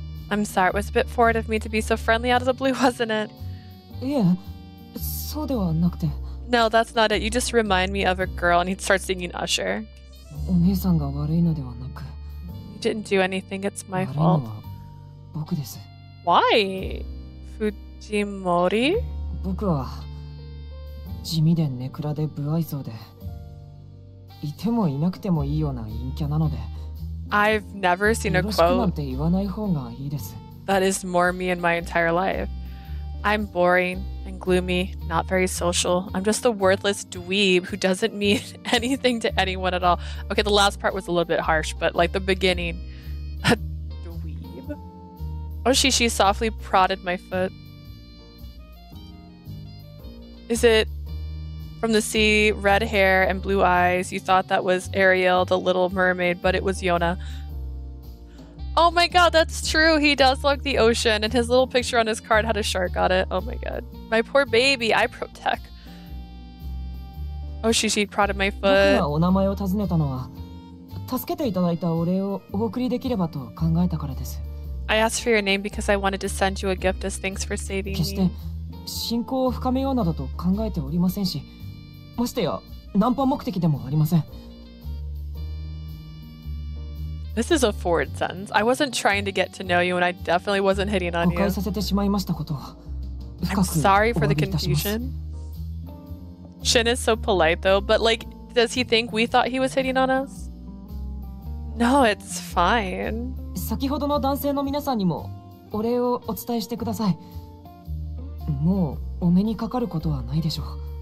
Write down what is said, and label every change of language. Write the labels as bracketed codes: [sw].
[en] I'm sorry, it was a bit forward of me to be so friendly out of the blue, wasn't it? [ja] Yeah, そうではなくて。 [en] No, that's not it. You just remind me of a girl, and he starts singing Usher. [ja] お姉さんが悪いのではなく。 [en] You didn't do anything, it's my fault. [ja] 僕です。 [en] Why? Fujimori? [ja] 僕は地味でネクラで不愛想で、いてもいなくてもいいような陰キャなので。 [en] I've never seen a quote. [ja] よろしくなんて言わない方がいいです。 [en] That is more me in my entire life. I'm boring and gloomy, not very social. I'm just a worthless dweeb who doesn't mean anything to anyone at all. Okay, the last part was a little bit harsh, but like the beginning. Oshishi softly prodded my foot. Is it from the sea, red hair and blue eyes? You thought that was Ariel, the little mermaid, but it was Yona. Oh my god, that's true. He does look the ocean, and his little picture on his card had a shark on it. Oh my god. My poor baby, I protect. Oshishi prodded my foot. [ja] 僕がお名前を尋ねたのは、助けていただいたお礼をお送りできればと考えたからです。 [en] I asked for your name because I wanted to send you a gift as thanks for saving me. [ja] 決して信仰を深めようなどと考えておりませんし、ましてやナンパ目的でもありません。 [en] This is a forward sentence. I wasn't trying to get to know you and I definitely wasn't hitting on you. [ja] 誤解させてしまいましたことを深くお詫びいたします [en] 。 I'm sorry for the confusion. Shin is so polite though, but like, does he think we thought he was hitting on us? No, it's fine. [ja] 先ほどの男性の皆さんにもお礼をお伝えしてください。もうお目にかかることはないでしょう。